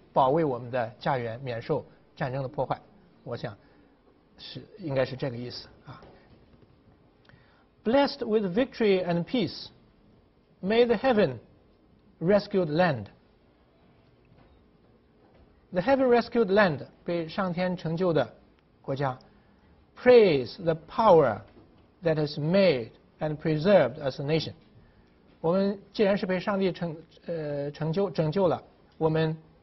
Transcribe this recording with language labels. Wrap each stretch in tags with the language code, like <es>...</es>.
<zh>保卫我们的家园，免受战争的破坏，我想是应该是这个意思啊。</zh> <en>Blessed with victory and peace, may the heaven rescued land. The heaven rescued land</en> <zh>被上天成就的国家</zh> <en>，praise the power that has made and preserved us a nation.</en> <zh>我们既然是被上帝拯救了，我们。</zh>